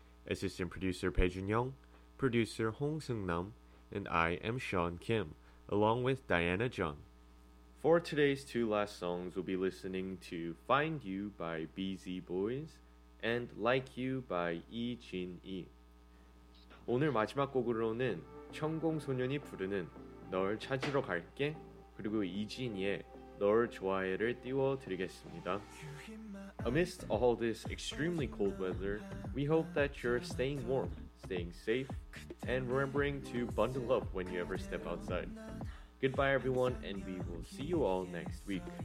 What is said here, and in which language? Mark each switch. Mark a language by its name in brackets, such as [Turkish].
[English] Assistant producer 배준영, producer 홍승남, and I am Sean Kim, along with Diana Jung. For today's two last songs, we'll be listening to Find You by BZ Boys and Like You by Lee Jin E. [Korean] 오늘 마지막 곡으로는 천공소년이 부르는 널 찾으러 갈게, 그리고 이진희의 널 좋아해를 띄워드리겠습니다. [English] Amidst all this extremely cold weather, we hope that you're staying warm, staying safe, and remembering to bundle up when you ever step outside. Goodbye everyone, and we will see you all next week.